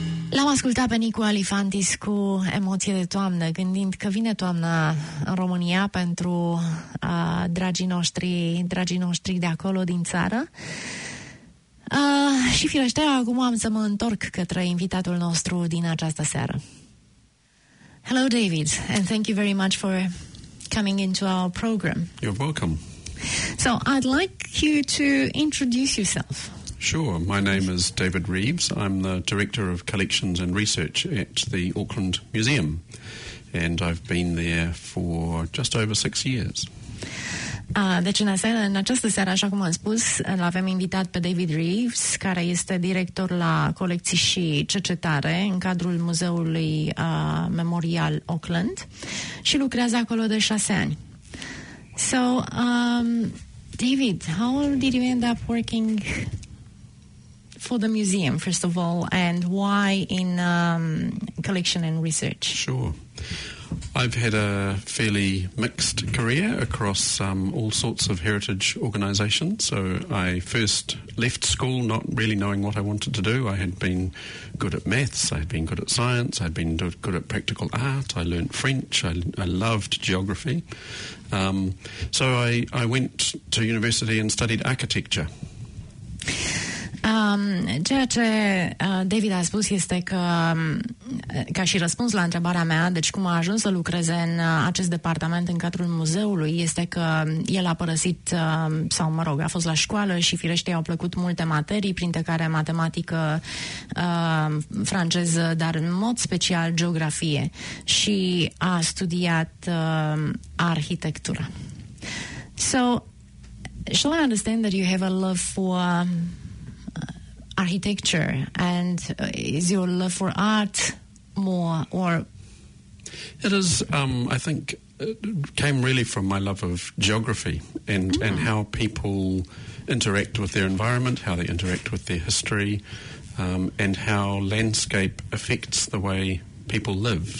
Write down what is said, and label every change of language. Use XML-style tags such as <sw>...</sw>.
<ro>L-am ascultat pe Nicu Alifantis cu emoție de toamnă, gândind că vine toamna în România pentru dragii noștri de acolo, din țară. Și firește, acum am să mă întorc către invitatul nostru din această seară.</ro> <en>Hello, David, and thank you very much for coming into our program. You're welcome. So I'd like you to introduce yourself. Sure. My name is David Reeves. I'm the Director of Collections and Research at the Auckland Museum, and I've been there for just over 6 years.</en> <ro>Deci în această seară, așa cum am spus, l-avem invitat pe David Reeves, care este director la colecții și cercetare în cadrul Muzeului Memorial Auckland și lucrează acolo de 6 ani.</ro> <en>So, David, how did you end up working for the museum, first of all, and why in collection and research? Sure. I've had a fairly mixed career across all sorts of heritage organisations. So I first left school not really knowing what I wanted to do. I had been good at maths, I had been good at science, I had been good at practical art, I learnt French, I loved geography. So I went to university and studied architecture.</en> <ro>Ceea ce David a spus este că, ca și răspuns la întrebarea mea, deci cum a ajuns să lucreze în acest departament în cadrul muzeului, este că el a părăsit, sau mă rog, a fost la școală și firește i-au plăcut multe materii, printre care matematică, franceză, dar în mod special geografie, și a studiat arhitectura.</ro> <en>So, shall I understand that you have a love for architecture, and is your love for art more, or it is I think it came really from my love of geography and and how people interact with their environment, how they interact with their history, and how landscape affects the way people live.</en>